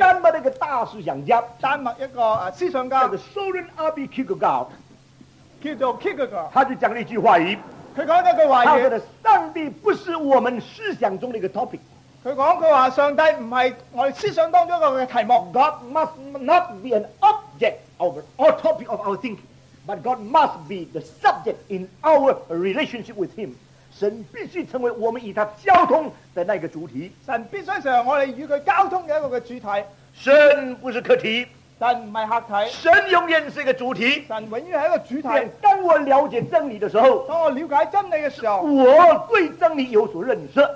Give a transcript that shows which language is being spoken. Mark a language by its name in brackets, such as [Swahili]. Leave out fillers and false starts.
[Chinese] 丹麦一个大思想家，丹麦一个思想家叫做 Søren R.B. Kierkegaard，叫做 Kierkegaard，他就讲了一句话语，他讲了一句话语，他说的上帝不是我们思想中的一个 topic，他讲他说上帝不是我们思想当中的一个题目。 [English] God must not be an object of our topic of our thinking，But God must be the subject in our relationship with Him. [Chinese] 神必须成为我们与他交通的那个主题。神必须成为我们与他交通的一个主题。神不是客体，神不是客体，神永远是一个主题，神永远是一个主题。当我了解真理的时候，当我了解真理的时候，我对真理有所认识，